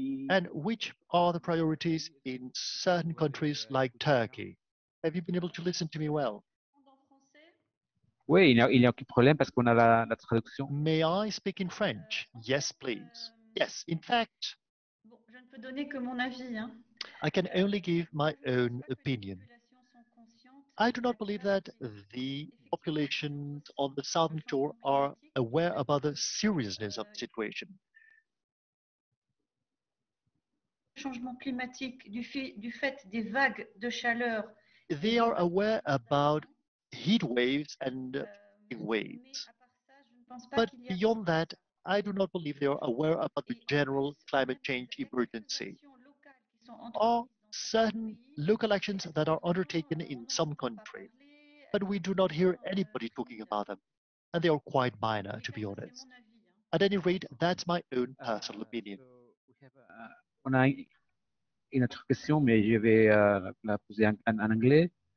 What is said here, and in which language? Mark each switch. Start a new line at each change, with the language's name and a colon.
English: And which are the priorities in certain countries like Turkey? Have you been able to listen to me well?
French: Oui, il y a aucun problème parce qu'on a la traduction.
English: May I speak in French? Yes, please. Yes, in fact.
French: Bon, je ne peux donner que mon avis, hein.
English: I can only give my own opinion. I do not believe that the populations on the southern shore are aware about the seriousness of the situation.
French: Changement climatique du fait des vagues de chaleur.
English: They are aware about heat waves and waves. But beyond that, I do not believe they are aware about the general climate change emergency. Or certain local actions that are undertaken in some country, but we do not hear anybody talking about them, and they are quite minor, to be honest. At any rate, that's my own personal opinion.
French: On a une autre question, mais je vais la poser en anglais.